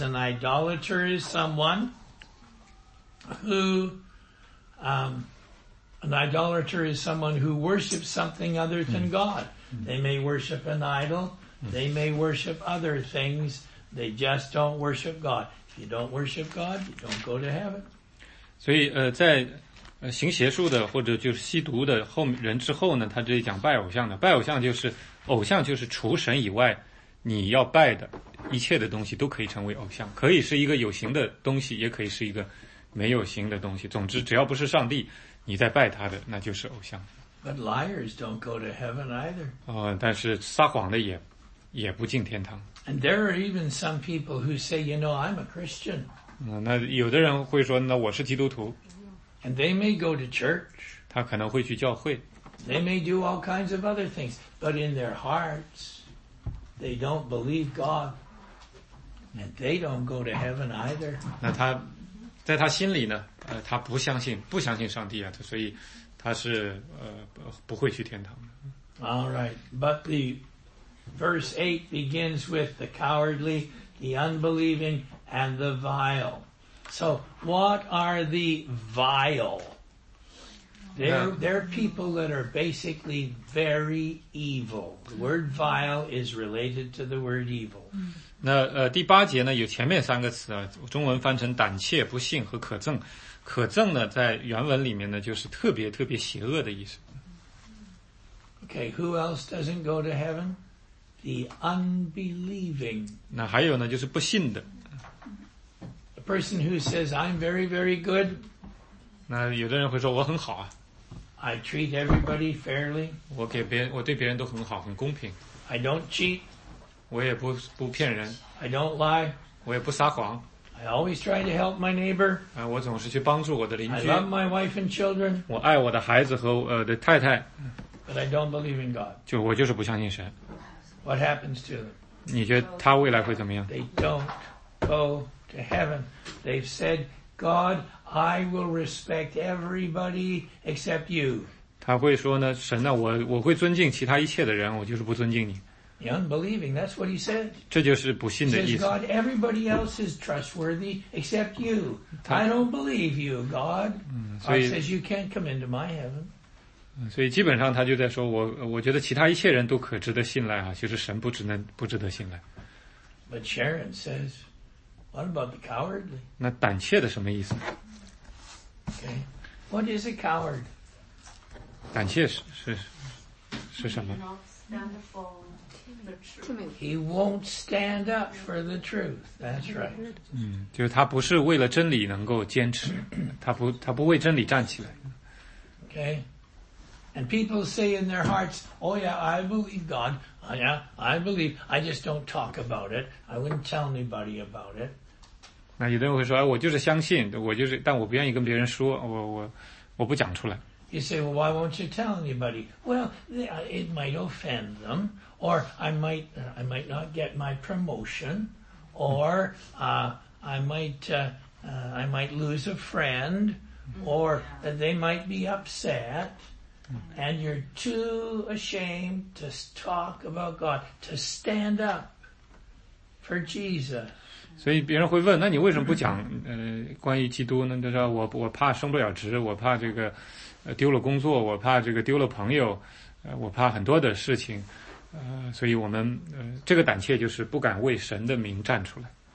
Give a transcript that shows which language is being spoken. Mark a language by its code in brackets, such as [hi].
[en] An idolater is someone who, an idolater is someone who worships something other than God. They may worship an idol. They may worship other things, they just don't worship God. If you don't worship God, you don't go to heaven. [zh] 所以在行邪术的或者就是吸毒的后人之后呢，他这里讲拜偶像的。拜偶像就是偶像就是除神以外你要拜的一切的东西都可以成为偶像，可以是一个有形的东西，也可以是一个没有形的东西，总之只要不是上帝你在拜他的那就是偶像。 [en] But liars don't go to heaven either. [zh] 但是撒谎的也不进天堂。 [en] And there are even some people who say, you know, I'm a Christian. [zh] 那有的人会说，那我是基督徒。 [en] And they may go to church. [zh] 他可能会去教会。 [en] They may do all kinds of other things. But in their hearts, they don't believe God. And they don't go to heaven either. [zh] 那他在他心里呢，他不相信上帝啊，所以他是不会去天堂。 [en] All right. But the Verse 8 begins with the cowardly, the unbelieving, and the vile. So, what are the vile? They're people that are basically very evil. The word vile is related to the word evil. [zh] 那第八节呢，有前面三个词啊，中文翻成胆怯、不幸和可憎。可憎呢，在原文里面呢，就是特别特别邪恶的意思。 [en] Okay, who else doesn't go to heaven? The unbelieving. [zh] 那还有呢，就是不信的。 [en] A person who says, I'm very, very good. [zh] 那有的人会说我很好啊。 [en] I treat everybody fairly. [zh] 我对别人都很好，很公平。 [en] I don't cheat. [zh] 我也不骗人。 [en] I don't lie. [zh] 我也不撒谎。 [en] I always try to help my neighbor. [zh] 我总是去帮助我的邻居。 [en] I love my wife and children. [zh] 我爱我的孩子和的太太。 [en] But I don't believe in God. [zh] 就我就是不相信神。 [en] What happens to them? [zh] 你觉得他未来会怎么样? [en] They don't go to heaven. They've said, God, I will respect everybody except you. [zh] 他会说呢，神啊，我会尊敬其他一切的人，我就是不尊敬你。 [en] The unbelieving, that's what he said. [zh] 这就是不信的意思。 [en] He says, God, everybody else is trustworthy except you. I don't believe you, God. God says, you can't come into my heaven. [zh] 所以基本上他就在说我觉得其他一切人都可值得信赖啊，就是神不值得信赖。 [en] But Sharon says, what about the cowardly? [zh] 那胆怯的什么意思？ [en] Okay, what is a coward? [zh] 胆怯是什么？ [en] He won't stand up for the truth. That's right. [zh] 就是他不是为了真理能够坚持，他不为真理站起来。 [en] Okay. And people say in their hearts, "Oh yeah, I believe God. Oh yeah, I believe. I just don't talk about it. I wouldn't tell anybody about it." [zh] 那有的人会说，哎，我就是相信，我就是，但我不愿意跟别人说，我不讲出来。 [en] You say, "Well, why won't you tell anybody?" Well, it might offend them. Or I might not get my promotion, or I might lose a friend, or they might be upset, and you're too ashamed to talk about God, to stand up for Jesus. [zh] 所以别人会问，那你为什么不讲关于基督呢？就是我怕升不了职，我怕这个丢了工作，我怕这个丢了朋友，我怕很多的事情。所以我们这个胆怯就是不敢为神的名站出来。